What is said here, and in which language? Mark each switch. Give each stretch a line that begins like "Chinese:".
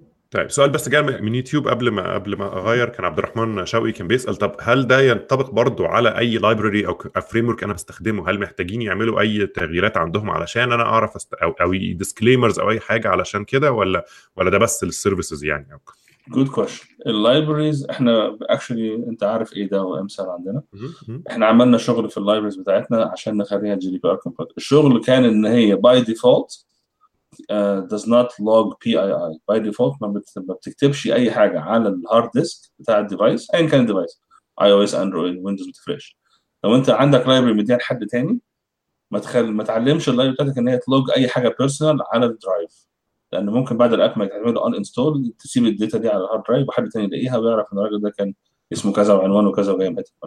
Arabic: طيب سؤال بس جاء من يوتيوب قبل ما اغير, كان عبد الرحمن شوقي كان بيسال, طب هل ده ينطبق برضو على اي لايبراري او فريم ورك انا بستخدمه؟ هل محتاجين يعملوا اي تغييرات عندهم علشان انا اعرف او ديسكليمرز او اي حاجه علشان كده, ولا ده بس للسيرفيسز يعني؟
English: Good question.
Arabic: Libraries, احنا
English: actually
Arabic: انت عارف ايه ده وامثال عندنا. احنا عملنا شغل في libraries بتاعتنا عشان نخليها GDPR compatible. الشغل كان ان هي
English: by default does not log PII.
Arabic: By default ما بتكتبش اي حاجة على الهارد ديسك بتاع الديفايس, اي كان الديفايس, iOS, Android, Windows, متفرش. لو انت عندك library مديان حد تاني ما تعلمش library بتاعتك ان هي تلوج اي حاجة personal على الدرايف, لان ممكن بعد الاب ما تعمله ان انستول تسيب الداتا دي على الهارد درايف وحد تاني يلاقيها ويعرف ان الراجل ده كان اسمه كذا وعنوانه كذا وجاي من هاتف.